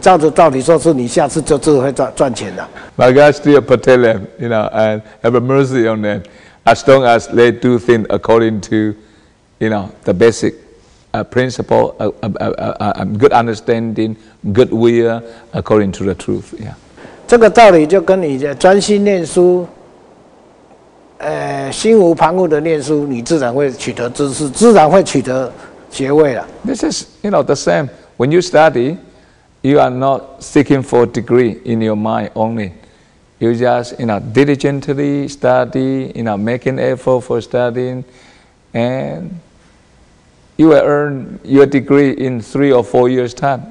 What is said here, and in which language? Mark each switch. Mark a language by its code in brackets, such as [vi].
[zh] 上帝还是保佑他了，只是说让他有修正的机会。你照着道理说，是你下次就自会赚钱的。My [en] God still protect them, you know, and have mercy on them, as long as they do things according to, you know, the basic principle, good understanding, good will, according to the truth. Yeah. [zh] 这个道理就跟你专心念书。心无旁骛的念书，你自然会取得知识，自然会取得学位了。 [en] This is, you know, the same. When you study, you are not seeking for a degree in your mind only. You just, you know, diligently study, you know, making effort for studying, and you will earn your degree in 3 or 4 years' time.